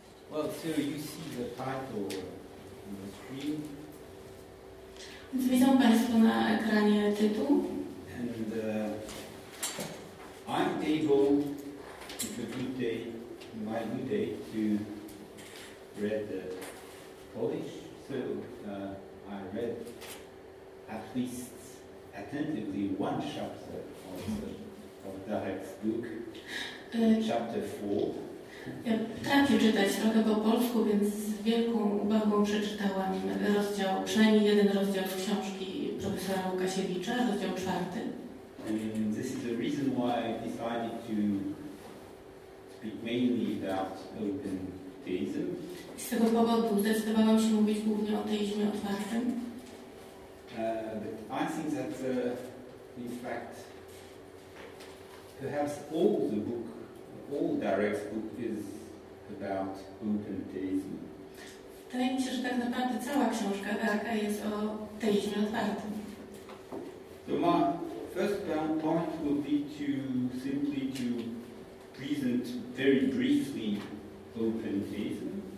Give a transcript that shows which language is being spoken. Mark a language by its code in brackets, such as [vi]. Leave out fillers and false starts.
[en] Well, so you see the title on the screen. [pl] Widzą Państwo na ekranie tytuł. [en] And I'm able, if a good day, my good day, to read the Polish. So I read at least attentively one chapter of Darek's book, chapter 4. [pl] Ja potrafię czytać trochę po polsku, więc z wielką uwagą przeczytałam rozdział, przynajmniej jeden rozdział z książki profesora Łukasiewicza, rozdział 4. [en] This is the reason why I decided to speak mainly about open theism. [pl] Z tego powodu zdecydowałam się mówić głównie o teizmie otwartym. [en] But I think that in fact perhaps all the book all Darek's book is about open theism. [pl] Wydaje mi się, że tak naprawdę cała książka Darka jest o teizmie otwartym. [en] So my first point will be to simply to present very briefly open theism.